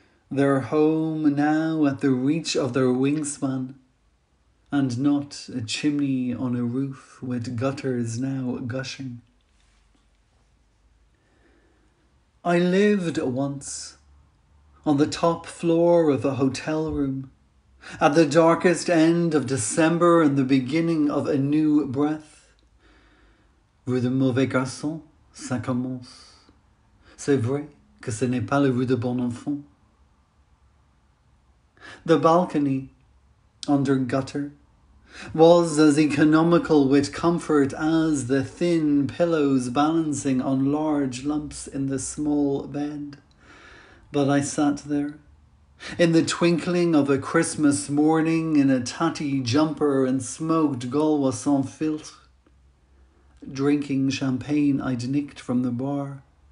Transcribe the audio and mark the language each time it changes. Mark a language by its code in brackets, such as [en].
[en] Their home now at the reach of their wingspan, and not a chimney on a roof with gutters now gushing. I lived once on the top floor of a hotel room, at the darkest end of December and the beginning of a new breath. [fr] Rue de Mauvais Garçon, ça commence. C'est vrai que ce n'est pas la rue de Bon Enfant. [en] The balcony, under gutter, was as economical with comfort as the thin pillows balancing on large lumps in the small bed. But I sat there, in the twinkling of a Christmas morning, in a tatty jumper and smoked Gaulois sans filtre, drinking champagne I'd nicked from the bar,